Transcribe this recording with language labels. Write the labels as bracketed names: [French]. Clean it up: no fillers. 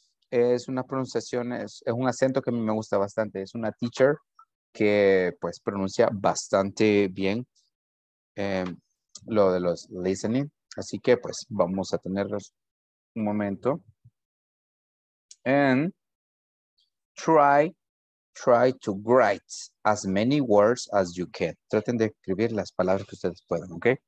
[Spanish] es una pronunciación, es un acento que a mí me gusta bastante. Es una teacher que pues pronuncia bastante bien lo de los listening. Así que pues vamos a tenerlos un momento. [English] And try to write as many words as you can. [Spanish] Traten de escribir las palabras que ustedes puedan, ¿ok?